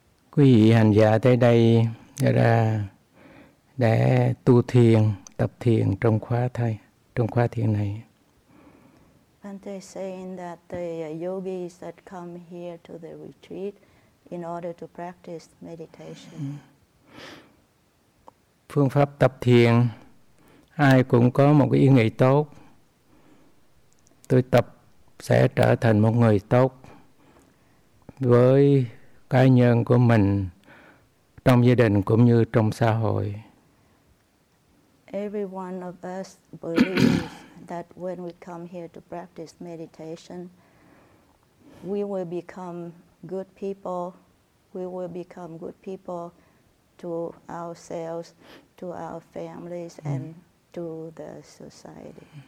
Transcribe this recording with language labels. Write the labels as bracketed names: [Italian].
[Vietnamese] Quý vị hành giả tới đây ra để tu thiền, tập thiền trong khóa thay, trong khóa thiền này. [English] Bhante is saying that the yogis that come here to the retreat in order to practice meditation. [Vietnamese] Phương pháp tập thiền ai cũng có một cái ý nghĩ tốt. Tôi tập sẽ trở thành một người tốt với cá nhân của mình, trong gia đình cũng như trong xã hội. [English] Every one of us believes that when we come here to practice meditation, we will become good people. We will become good people to ourselves, to our families, and to the society.